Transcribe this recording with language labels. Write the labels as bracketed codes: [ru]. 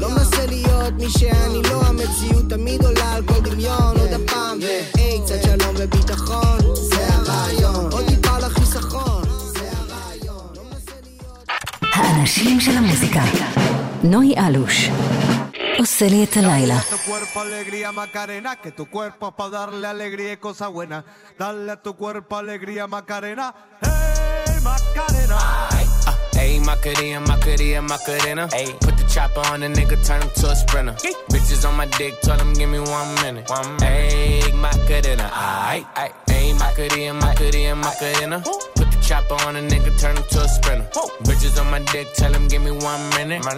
[he] לא מנסה להיות מי שאני לא, המציאות תמיד עולה על כל דמיון. עוד הפעם, איי, קצת שלום וביטחון, זה הרעיון. עוד טיפה לחיסכון, זה הרעיון. האנשים של המוזיקה, נוי אלוש, עושה לי את הלילה. [es] Dale a tu cuerpo alegría Macarena, que tu cuerpo es para darle alegría y cosa buena. Dale a tu cuerpo alegría Macarena. Macarena. Ay, Macarena, Macarena, Macarena. [en] Put the chopper on the nigga, turn him to a sprinter. Hey. Bitches on my dick, tell him give me 1 minute. [es] Ay, Macarena. Ay, ay. Ay, Macarena, Macarena, Macarena. [en] Put the chopper on a nigga, turn him to a sprinter. Oh. Bitches on my dick, tell him give me 1 minute.